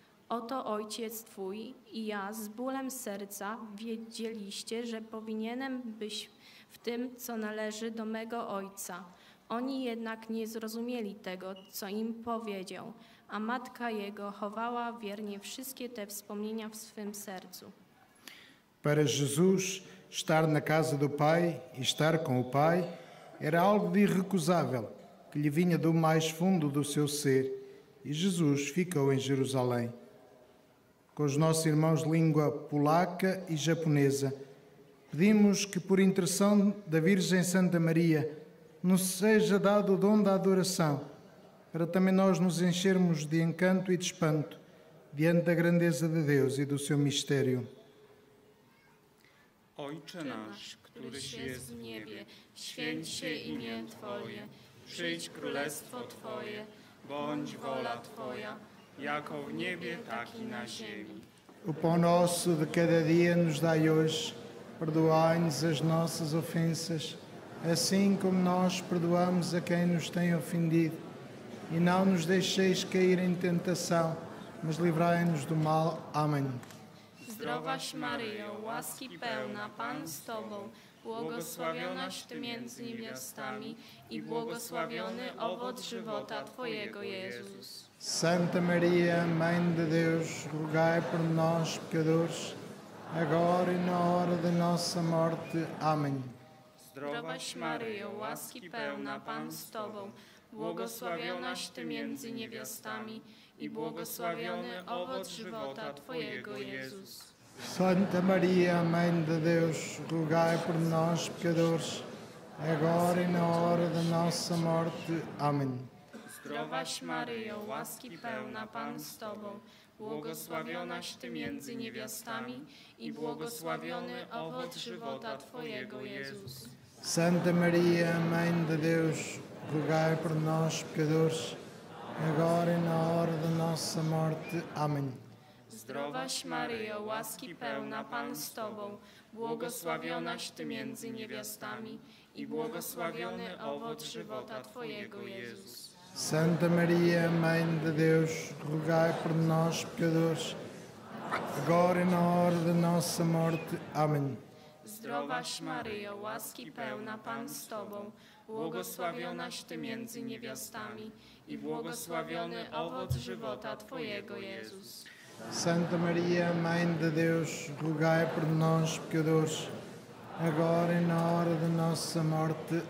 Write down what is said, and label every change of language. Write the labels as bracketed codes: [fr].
[pl] Oto ojciec twój i ja z bólem serca wiedzieliście, że powinienem być w tym, co należy do mego ojca. Oni jednak nie zrozumieli tego, co im powiedział, a matka jego chowała wiernie wszystkie te wspomnienia w swym sercu. [pt] Para Jesus, estar na casa do Pai e estar com o Pai era algo de irrecusável. que lhe vinha do mais fundo do seu ser, e Jesus ficou em Jerusalém. Com os nossos irmãos de língua polaca e japonesa, pedimos que, por intercessão da Virgem Santa Maria, nos seja dado o dom da adoração, para também nós nos enchermos de encanto e de espanto diante da grandeza de Deus e do seu mistério. [pl] Ojcze nasz, któryś jest w niebie, święć się imię Twoje, przyjdź królestwo Twoje, bądź wola Twoja, jako w niebie, tak i na ziemi. [pt] O pão nosso de cada dia nos dai hoje, perdoai-nos as nossas ofensas, assim como nós perdoamos a quem nos tem ofendido. E não nos deixeis cair em tentação, mas livrai-nos do mal. Amém. [pl] Zdrowaś Maryjo, łaski pełna, Pan z Tobą, błogosławionaś Ty między niewiastami i błogosławiony owoc żywota Twojego, Jezus. [pt] Santa Maria, Mãe de Deus, rogai por nós, pecadores, agora e na hora de nossa morte. Amém. [pl] Zdrowaś Maryjo, łaski pełna, Pan z Tobą, błogosławionaś Ty między niewiastami i błogosławiony owoc żywota Twojego, Jezus. [pt] Santa Maria, Mãe de Deus, rogai por nós, pecadores, agora e na hora da nossa morte. Amém. [pl] Zdrowaś Maryjo, łaski pełna, Pan z Tobą, błogosławionaś Ty między niewiastami i błogosławiony owoc żywota Twojego, Jezus. [pt] Santa Maria, Mãe de Deus, rogai por nós, pecadores, agora e na hora da nossa morte. Amém. [pl] Zdrowaś Maryjo, łaski pełna, Pan z Tobą, błogosławionaś Ty między niewiastami i błogosławiony owoc żywota Twojego, Jezus. [pt] Santa Maria, Mãe de Deus, rogai por nós, pecadores, agora e na hora da nossa morte. Amém. [pl] Zdrowaś Maryjo, łaski pełna, Pan z Tobą, błogosławionaś Ty między niewiastami i błogosławiony owoc żywota Twojego, Jezus. [pt] Santa Maria, Mãe de Deus, rogai por nós, pecadores, agora e na hora da nossa morte.